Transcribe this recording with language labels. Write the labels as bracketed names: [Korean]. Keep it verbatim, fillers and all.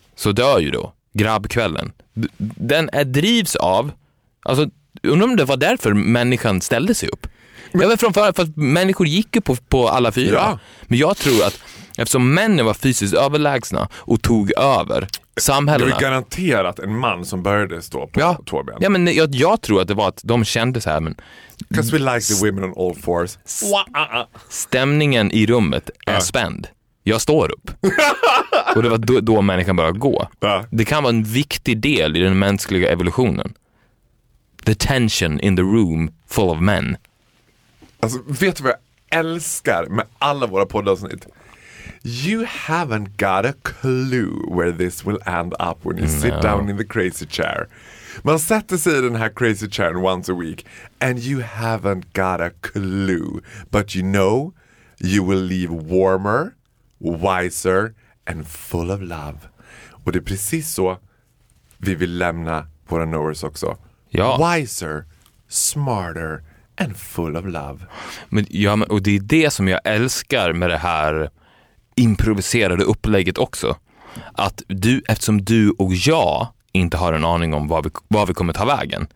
[Swedish] så dör ju då grabbkvällen. Den är drivs av, alltså undrar om det var därför människan ställde sig upp. Men, jag vet från förra, för att människor gick ju på, på alla fyra. Ja. Men jag tror att eftersom männen var fysiskt överlägsna och tog över samhällena. Det var garanterat en man som började stå på ja. två ben. Ja, men jag, jag tror att det var att de kände så här, men... [English] 'Cause we like the women on all fours. [Swedish] Stämningen i rummet är ja. spänd. jag står upp. Och det var då, då människan började gå. Ja. Det kan vara en viktig del i den mänskliga evolutionen. [English] The tension in the room full of men. [Swedish] Alltså, vet du vad jag älskar med alla våra poddavsnitt? [English] You haven't got a clue where this will end up when you no. sit down in the crazy chair. [Swedish] Man sätter sig i den här [English] crazy chairen once a week and you haven't got a clue. But you know you will leave warmer, wiser and full of love. [Swedish] Och det är precis så vi vill lämna våra knowers också. Ja. [English] Wiser, smarter and full of love. [Swedish] Men, ja, men, och det är det som jag älskar med det här improviserade upplägget också. Att du, eftersom du och jag inte har en aning om vad vi, vad vi kommer ta vägen.